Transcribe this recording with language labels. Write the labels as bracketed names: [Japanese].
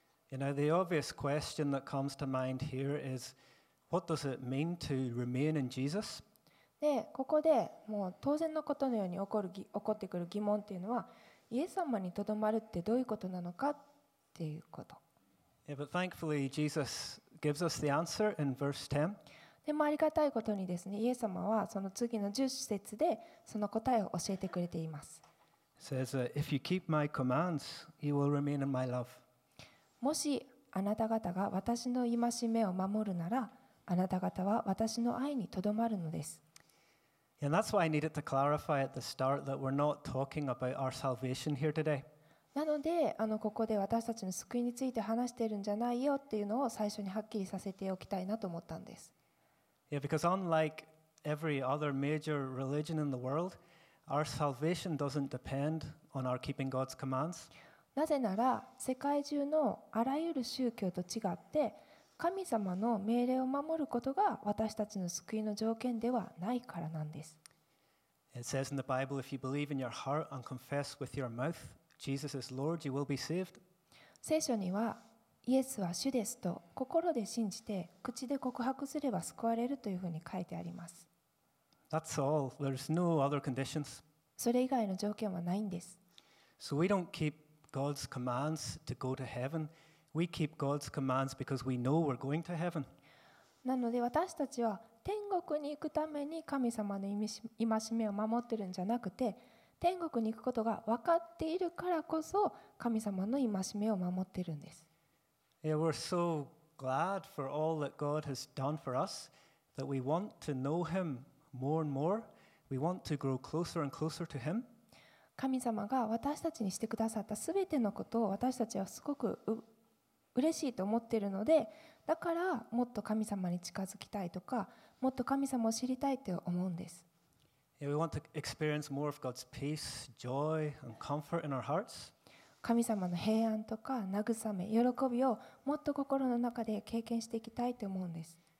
[English] You know, the obvious question that comes to mind here is, what does it mean to remain in Jesus? [Japanese] で、ここでもう当然のことのように起こってくる疑問っていうのは、イエス様にとどまるってどういうことなのかっていうこと。 [English] Yeah, but thankfully, Jesus gives us the answer in verse 10. [Japanese] でもありがたいことにですね、イエス様はその次の10節でその答えを教えてくれています。 [English] It says, if you keep my commands, you will remain in my love. [Japanese] もしあなた方が私の戒めを守るなら、あなた方は私の愛にとどまるのです。 [English] And that's why I needed to clarify at the start that we're not talking about our salvation here today. [Japanese] なので、ここで私たちの救いについて話しているんじゃないよっていうのを最初にはっきりさせておきたいなと思ったんです。 [English] Yeah, because unlike every other major religion in the world, our salvation doesn't depend on our keeping God's commands. [Japanese] なぜなら世界中のあらゆる宗教と違って神様の命令を守ることが私たちの救いの条件ではないからなんです。 [English] It says in the Bible, if you believe in your heart and confess with your mouth, Jesus is Lord, you will be saved. [Japanese] 聖書にはイエスは主ですと心で信じて口で告白すれば救われるというふうに書いてあります。 [English] That's all. There's no other conditions. [Japanese] それ以外の条件はないんです。 [English] So we don't keepGod's commands to go to heaven. We keep God's commands because we know we're going to heaven. [Japanese] なので私たちは天国に行くために神様の戒めを守ってるんじゃなくて、天国に行くことが分かっているからこそ神様の戒めを守ってるんです。 [English] Yeah, we're so glad for all that God has done for us that we want to know Him more and more. We want to grow closer and closer to Him. [Japanese] 神様が私たちにしてくださったすべてのことを私たちはすごく嬉しいと思っているので、だからもっと神様に近づきたいとか、もっと神様を知りたいと思うんです。 [English] Yeah, we want to experience more of God's peace, joy, and comfort in our hearts. [Japanese] 神様の平安とか慰め、喜びをもっと心の中で経験していきたいと思うんです。